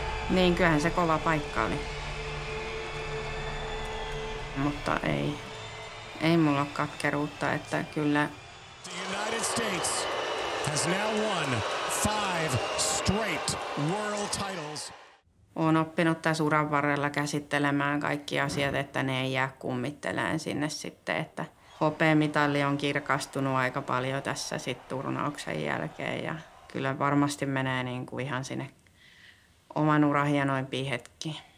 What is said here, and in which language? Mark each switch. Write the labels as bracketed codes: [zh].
[fi] Niin, kyllähän se kova paikka oli. Mutta ei mulla ole katkeruutta, että kyllä. [en] The United States has now won 5 straight world titles. [fi] Olen oppinut tässä uran varrella käsittelemään kaikki asiat, että ne ei jää kummitteleen sinne sitten, että hopeamitali on kirkastunut aika paljon tässä sitten turnauksen jälkeen ja kyllä varmasti menee niin kuin ihan sinne oman uran hienoimpiin hetkiin.